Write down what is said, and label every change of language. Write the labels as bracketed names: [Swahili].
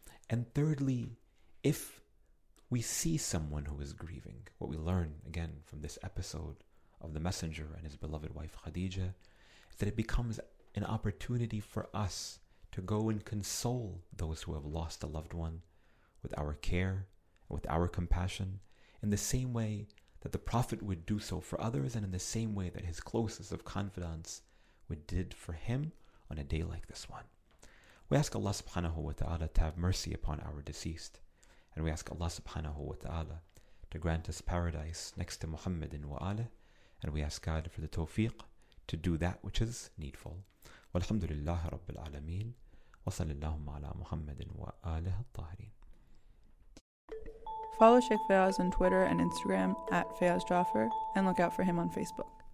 [English] And thirdly, if we see someone who is grieving, what we learn again from this episode of the Messenger and his beloved wife Khadija, is that it becomes an opportunity for us to go and console those who have lost a loved one with our care, with our compassion, in the same way that the Prophet would do so for others and in the same way that his closest of confidants would did for him on a day like this one. We ask Allah subhanahu wa ta'ala to have mercy upon our deceased, and we ask Allah subhanahu wa ta'ala to grant us paradise next to Muhammad in wa'ala, and we ask God for the tawfiq to do that which is needful. [Arabic] والحمد لله رب العالمين وصلى اللهم على محمد وآله الطاهرين. [English] Follow Sheikh Fayaz on Twitter and Instagram @FayazJaffer and look out for him on Facebook.